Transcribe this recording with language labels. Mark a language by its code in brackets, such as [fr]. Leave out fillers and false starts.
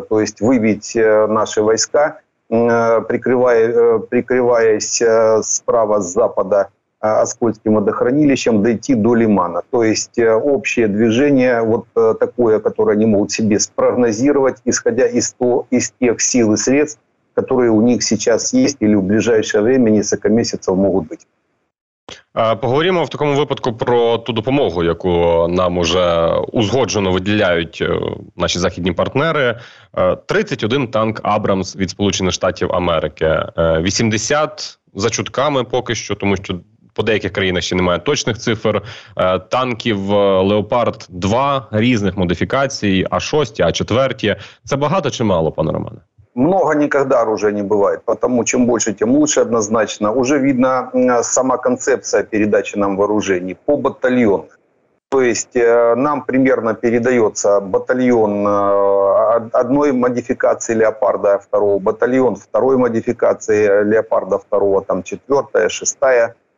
[ru] То есть выбить наши войска, прикрываясь справа с запада Оскольским водохранилищем, дойти до лимана. То есть общее движение вот такое, которое они могут себе спрогнозировать, исходя из тех сил и средств, которые у них сейчас есть или в ближайшее время, несколько месяцев, могут быть. [uk] Поговоримо в такому випадку про ту допомогу, яку нам уже узгоджено виділяють наші західні партнери. 31 танк «Абрамс» від Сполучених Штатів Америки. 80 за чутками поки що, тому що по деяких країнах ще немає точних цифр. Танків «Леопард-2» різних модифікацій, А6, А4. Це багато чи мало, пане Романе? [ru] Много никогда оружия не бывает, потому чем больше, тем лучше однозначно. Уже видна сама концепция передачи нам вооружений по батальону. То есть нам примерно передается батальон одной модификации «Леопарда» второго, батальон второй модификации «Леопарда» второго, там четвертая, шестая.